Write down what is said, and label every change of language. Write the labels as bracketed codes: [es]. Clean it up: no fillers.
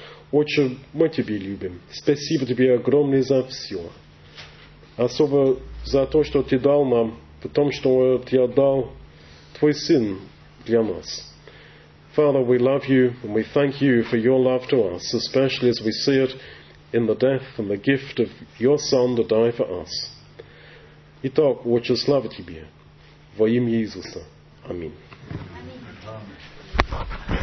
[ru] Отче, мы Тебя любим. Спасибо Тебе огромное за все. Особо за то, что Ты дал нам, в том, что Ты отдал Твой Сын для нас. [en] Father, we love You, and we thank You for Your love to us, especially as we see it in the death and the gift of Your Son to die for us. [ru] Итак, Отче, слава Тебе. Во имя Иисуса. Аминь.